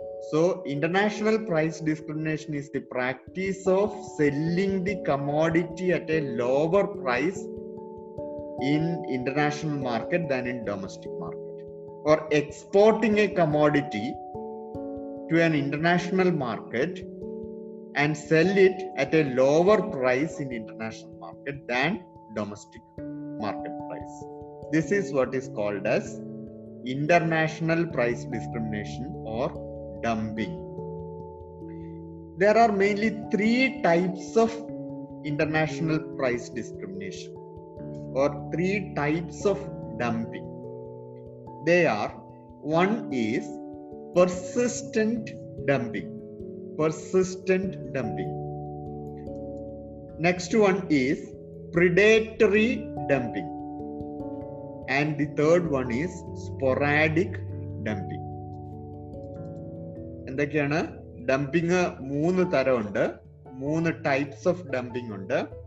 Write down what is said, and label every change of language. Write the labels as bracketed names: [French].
[English] So international price discrimination is the practice of selling the commodity at a lower price in international market than in domestic market, or exporting a commodity to an international market and sell it at a lower price in international market than domestic market price. This is what is called as international price discrimination or dumping. There are mainly three types of international price discrimination or three types of dumping. They are, one is persistent dumping. Persistent dumping. Next one is predatory dumping, and the third one is sporadic dumping. [Malayalam] എന്തൊക്കെയാണ് dumping? മൂന്ന് തരമുണ്ട്, മൂന്ന് [English] types of dumping [Malayalam] ഉണ്ട്.